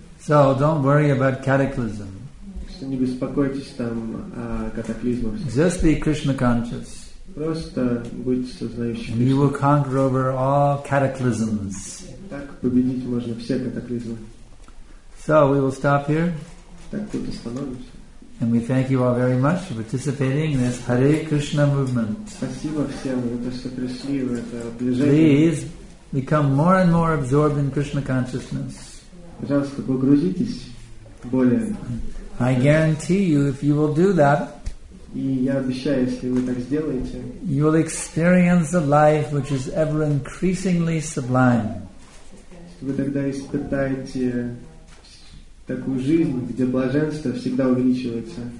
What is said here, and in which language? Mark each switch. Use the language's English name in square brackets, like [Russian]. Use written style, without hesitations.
[English] So, don't worry about cataclysm. [Russian] Не беспокойтесь там о катаклизмах. [English] Just be Krishna conscious. [Russian] Просто будьте сознающим Кришну. [English] And you will conquer over all cataclysms. [Russian] Так победить можно все катаклизмы. [English] So, we will stop here. [Russian] Так тут остановимся. [English] And we thank you all very much for participating in this Hare Krishna movement. [Russian] Спасибо всем, что пришли в это движение. [English] Please, become more and more absorbed in Krishna consciousness. [Russian] Пожалуйста, погрузитесь более. [English] I guarantee you, if you will do that, [Russian] и я обещаю, если вы так сделаете, [English] you will experience a life which is ever increasingly sublime. [Russian] Вы тогда испытаете такую жизнь, где блаженство всегда увеличивается.